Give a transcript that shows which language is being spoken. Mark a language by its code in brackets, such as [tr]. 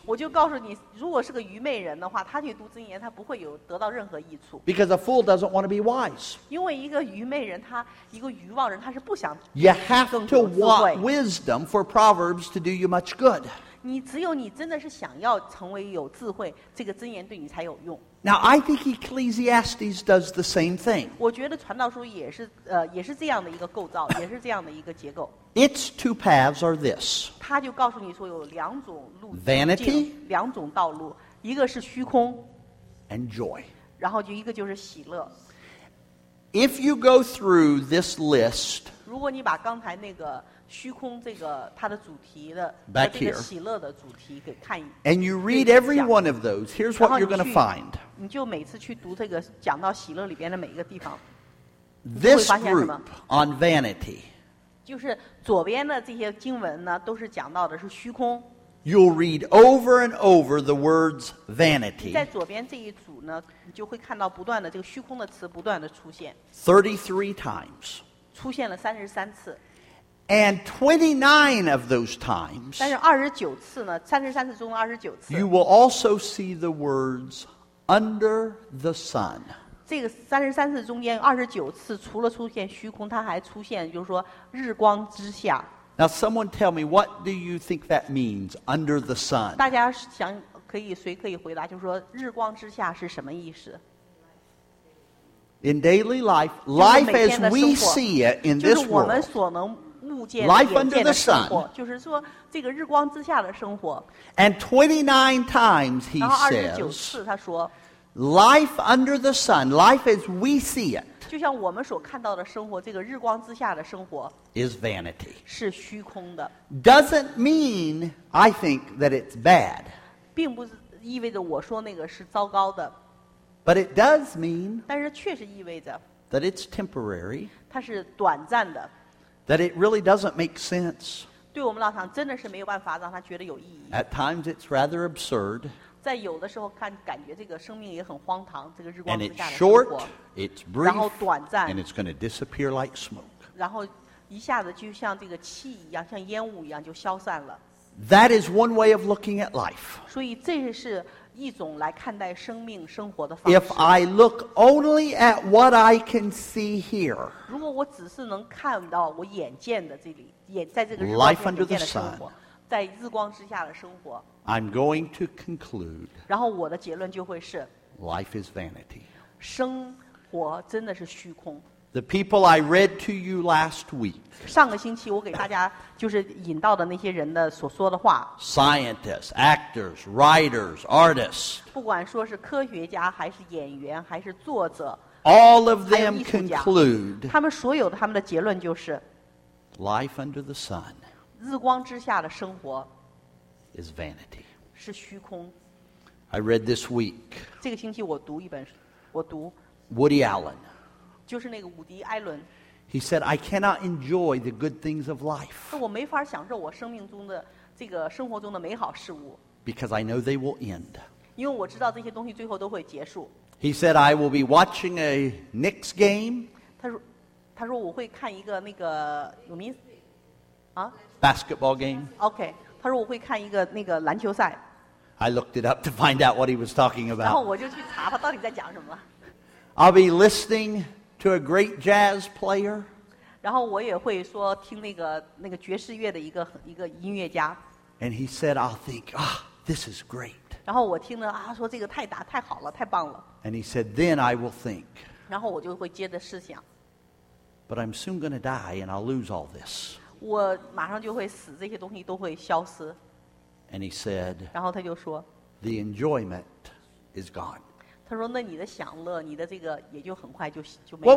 [zh] 我就告诉你，如果是个愚昧人的话，他去读箴言，他不会有得到任何益处。 [en] Because a fool doesn't want to be wise. [zh] 因为一个愚昧人，他一个愚妄人，他是 [en] You have to want wisdom for Proverbs to do you much good. [zh] 你只有你真的是想要成为有智慧，这个箴言对你才有用。 [en] Now I think Ecclesiastes does the same thing. [zh] 我觉得传道书也是这样的一个构造，也是这样的一个结构。 [en] Its two paths are this. [zh] 他就告诉你说有两种路径。 [en] Vanity. [zh] 两种道路，一个是虚空。 [en] And joy. [zh] 然后就一个就是喜乐。 [en] If you go through this list, [zh] 如果你把刚才那个虚空这个它的主题的 [en] back here, [zh] 喜乐的主题给看 [en] and you read every one of those, here's what you're going to find. [zh] 你就每次去读这个讲到喜乐里边的每一个地方 [en] This group on vanity, [zh] 就是左边的这些经文呢，都是讲到的是虚空。 [en] You'll read over and over the words vanity. [zh] 在左边这一组呢，你就会看到不断的这个虚空的词不断的出现。 [en] 33 times. [zh] 出现了33次。 [en] And 29 of those times. [zh] 但是29次呢，33次中29次。 [en] You will also see the words under the sun. [zh] 这个33次中间29次，除了出现虚空，它还出现就是说日光之下。 [en] Now someone tell me, what do you think that means, under the sun? [zh] 大家想可以谁可以回答，就是说日光之下是什么意思？ [en] In daily life, life as we see it in this world, [zh] 就是我们所能目见 [en] life under the sun, [zh] 就是说这个日光之下的生活。 [en] And 29 times he says, [zh] 29次他说, [en] Life under the sun, life as we see it, [zh] 就像我们所看到的生活，这个日光之下的生活 [en] is vanity, [zh] 是虚空的。 [en] Doesn't mean I think that it's bad, [zh] 并不意味着我说那个是糟糕的。 [en] But it does mean, [zh] 但是确实意味着 [en] that it's temporary, [zh] 它是短暂的。 [en] That it really doesn't make sense, [zh] 对我们来讲真的是没有办法让它觉得有意义。 [en] At times it's rather absurd. [zh] 在有的时候看感觉这个生命也很荒唐这个日光之下的生活 [en] And it's short, it's brief, [zh] 然后短暂 [en] And it's going to disappear like smoke [zh] 然后一下子就像这个气一样像烟雾一样就消散了 [en] That is one way of looking at life [zh] 所以这是一种来看待生命生活的方式 [en] If I look only at what I can see here [zh] 如果我只是能看到我眼见的这里眼在这个日光之下的生活 [en] Life under the sun [zh] 在日光之下的生活 [en] I'm going to conclude. [zh] 然后我的结论就会是 [en] Life is vanity. [zh] 生活真的是虚空。 [en] The people I read to you last week. [zh] 上个星期我给大家就是引到的那些人的所说的话。 [en] Scientists, actors, writers, artists. [zh] 不管说是科学家还是演员还是作者。 [en] All of them conclude. [zh] 他们所有的他们的结论就是 [en] Life under the sun. [zh] 日光之下的生活。 [en] Is vanity. [zh] 是虚空。 [en] I read this week. [zh] 这个星期我读一本，我读。 [en] Woody Allen. [zh] 就是那个伍迪·艾伦。 [en] He said, "I cannot enjoy the good things of life." [zh] 我没法享受我生命中的这个生活中的美好事物。 [en] Because I know they will end. [zh] 因为我知道这些东西最后都会结束。 [en] He said, "I will be watching a Knicks game." [zh] 他说我会看一个那个有名啊 [en] basketball game. Okay. [zh] 他说我会看一个那个篮球赛。 [en] I looked it up to find out what he was talking about. [zh] 然后我就去查他到底在讲什么。 [en] I'll be listening to a great jazz player. [zh] 然后我也会说听那个爵士乐的一个音乐家。 [en] And he said, I'll think, ah, this is great. [zh] 然后我听了啊，说这个太好了，太棒了。 [en] And he said, then I will think. [zh] 然后我就会接着试想。 [en] But I'm soon going to die, and I'll lose all this. [zh] 我马上就会死，这些东西都会消失。 [en] And he said, [zh] 然后他就说 [en] ，The enjoyment is gone. [zh] 他说，那你的享乐，你的这个也就很快就没有了。